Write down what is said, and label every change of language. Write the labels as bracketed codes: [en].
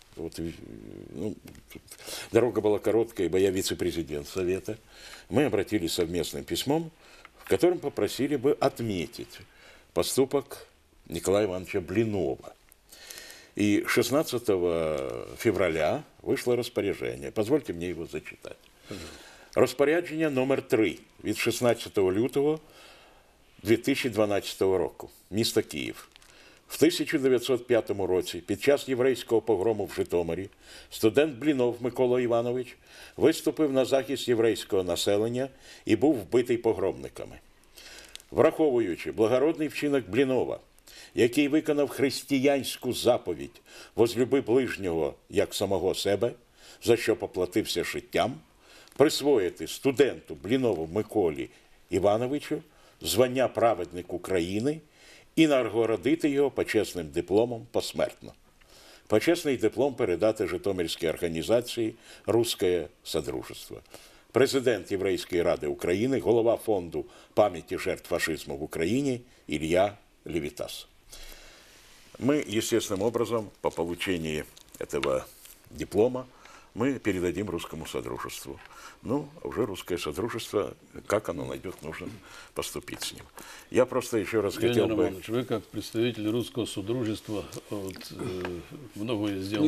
[ru] Вот, ну, дорога была короткая, ибо я вице-президент совета. Мы обратились совместным письмом, в котором попросили бы отметить поступок Николая Ивановича Блинова. И 16 февраля вышло распоряжение. Позвольте мне его зачитать. [uk] Распоряджение номер 3 від 16 лютого 2012 року. Місто Київ. В 1905 році під час єврейського погрому в Житомирі студент Блінов Микола Іванович виступив на захист єврейського населення і був вбитий погромниками. Враховуючи благородний вчинок Блінова, який виконав християнську заповідь «Возлюби ближнього, як самого себе», за що поплатився життям, присвоїти студенту Блінову Миколі Івановичу звання «Праведник України» і нагородити його почесним дипломом посмертно. Почесний диплом передати Житомирській організації «Русське Содружество». Президент Єврейської ради України, голова фонду пам'яті жертв фашизму в Україні Ілья Левітас. [ru] Мы, естественным образом, по получении этого диплома, мы передадим Русскому Содружеству. Ну, уже Русское Содружество, как оно найдет, нужно поступить с ним. Я просто еще раз хотел бы... Иванович, вы как представитель Русского Содружества вот, многое сделали.